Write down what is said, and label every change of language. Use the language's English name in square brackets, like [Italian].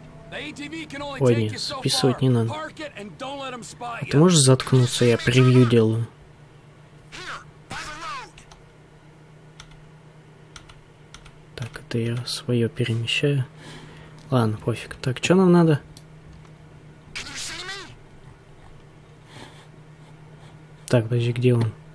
[English] The ATV can only [Russian] Ой, нет, списывать не надо. [English] Park it and don't let them spot you. [Russian] А ты можешь заткнуться, я превью делаю. Так, это я свое перемещаю. Ладно, пофиг. Так, что нам надо? Так, подожди, где он?